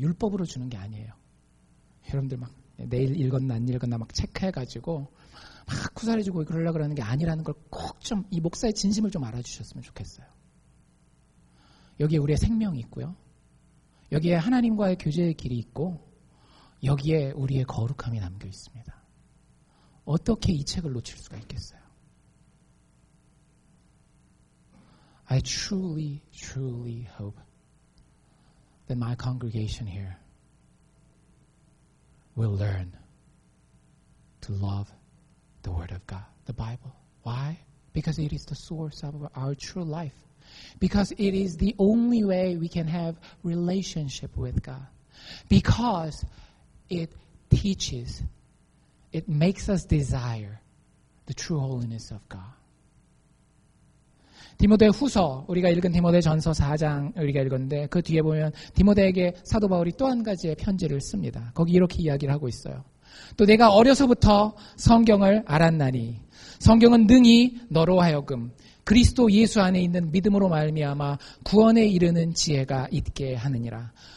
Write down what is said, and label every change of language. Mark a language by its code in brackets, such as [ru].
[ko] 율법으로 주는 게 아니에요. 여러분들 막 내일 읽었나 안 읽었나 막 체크해가지고 막 구사해주고 그러려고 그러는 게 아니라는 걸 꼭 좀 이 목사의 진심을 좀 알아주셨으면 좋겠어요. 여기에 우리의 생명이 있고요. 여기에 하나님과의 교제의 길이 있고 여기에 우리의 거룩함이 남겨 있습니다. 어떻게 이 책을 놓칠 수가 있겠어요? [en] I truly, truly hope that my congregation here will learn to love the Word of God, the Bible. Why? Because it is the source of our true life. Because it is the only way we can have relationship with God. Because it teaches, it makes us desire the true holiness of God. [ko] 디모데 후서, 우리가 읽은 디모데 전서 4장 우리가 읽었는데 그 뒤에 보면 디모데에게 사도 바울이 또 한 가지의 편지를 씁니다. 거기 이렇게 이야기를 하고 있어요. 또 내가 어려서부터 성경을 알았나니 성경은 능히 너로 하여금 그리스도 예수 안에 있는 믿음으로 말미암아 구원에 이르는 지혜가 있게 하느니라.